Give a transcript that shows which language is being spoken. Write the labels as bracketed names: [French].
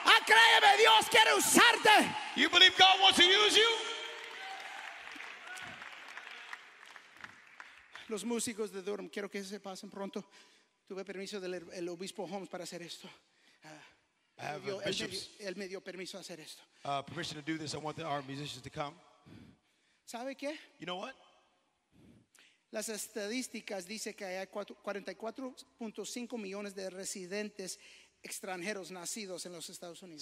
[Spanish] Créeme, Dios quiere usarte. [English] You believe God wants to use you? [Spanish] Los músicos de Durham, quiero que se pasen pronto. Tuve permiso del el obispo Holmes para hacer esto. Él me dio permiso a hacer esto. [English] Permission to do this. I want our musicians to come. [Spanish] ¿Sabe qué? [English] You know what? [Spanish] Las estadísticas dicen que hay 44.5 millones de residentes extranjeros nacidos en los Estados Unidos.